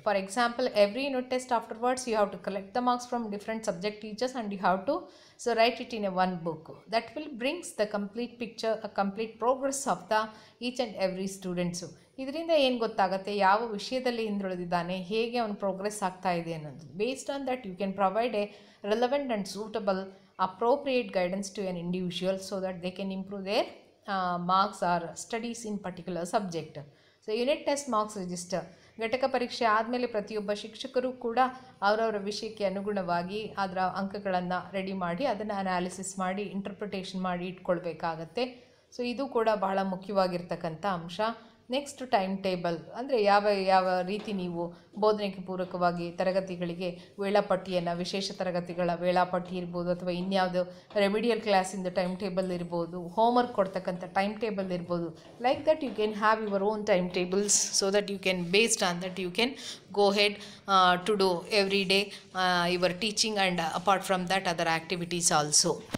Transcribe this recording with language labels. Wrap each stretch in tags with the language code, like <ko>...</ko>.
<en>For example, every unit test afterwards you have to collect the marks from different subject teachers and you have to so right it in a one book. That will brings the complete picture, a complete progress of the each and every students.</en> <kn>ಇದರಿಂದ ಏನು ಗೊತ್ತಾಗುತ್ತೆ, ಯಾವ ವಿಷಯದಲ್ಲಿ ಹಿಂದುಳಿದಿದ್ದಾನೆ, ಹೇಗೆ ಅವನು progress ಆಗ್ತಾ ಇದೆ ಅನ್ನೋದು.</kn> <en>Based on that you can provide a relevant and suitable appropriate guidance to an individual so that they can improve their marks or studies in particular subject. So unit test marks register.</en> <kn>ಘಟಕ ಪರೀಕ್ಷೆ ಆದಮೇಲೆ ಪ್ರತಿಯೊಬ್ಬ ಶಿಕ್ಷಕರು ಕೂಡ ಅವರವರ ವಿಷಯಕ್ಕೆ ಅನುಗುಣವಾಗಿ ಅದರ ಅಂಕಗಳನ್ನು ರೆಡಿ ಮಾಡಿ ಅದನ್ನು ಅನಾಲಿಸಿಸ್ ಮಾಡಿ ಇಂಟರ್ಪ್ರಿಟೇಷನ್ ಮಾಡಿ ಇಟ್ಕೊಳ್ಬೇಕಾಗತ್ತೆ. ಸೊ ಇದು ಕೂಡ ಬಹಳ ಮುಖ್ಯವಾಗಿರ್ತಕ್ಕಂಥ ಅಂಶ. ನೆಕ್ಸ್ಟ್, ಟೈಮ್ ಟೇಬಲ್ ಅಂದರೆ ಯಾವ ರೀತಿ ನೀವು ಬೋಧನೆಗೆ ಪೂರಕವಾಗಿ ತರಗತಿಗಳಿಗೆ ವೇಳಾಪಟ್ಟಿಯನ್ನು, ವಿಶೇಷ ತರಗತಿಗಳ ವೇಳಾಪಟ್ಟಿ ಇರ್ಬೋದು ಅಥವಾ ಇನ್ಯಾವುದು ರೆಮಿಡಿಯಲ್ ಕ್ಲಾಸಿಂದು ಟೈಮ್ ಟೇಬಲ್ ಇರ್ಬೋದು, ಹೋಮ್ವರ್ಕ್ ಕೊಡ್ತಕ್ಕಂಥ ಟೈಮ್ ಟೇಬಲ್ ಇರ್ಬೋದು,</kn> <en>Like that you can have your own time tables so that you can based on that you can go head to do every day your teaching and apart from that other activities also.</en>